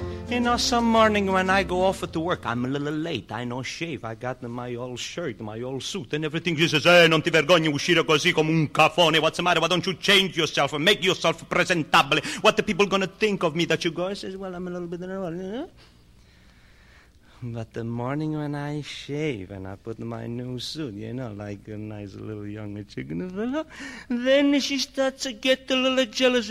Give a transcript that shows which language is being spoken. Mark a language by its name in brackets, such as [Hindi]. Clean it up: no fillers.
[English] You know, some morning when I go off to work, I'm a little late, I no shave, I got my old shirt, my old suit, and everything. She says, hey, [Italian] non ti vergogni uscire così come un cafone. [English] What's the matter? Why don't you change yourself and make yourself presentable? What the people gonna think of me that you go? I says, well, I'm a little bit nervous. But the morning when I shave and I put my new suit, you know, like a nice little young chicken fellow, then she starts to get a little jealous.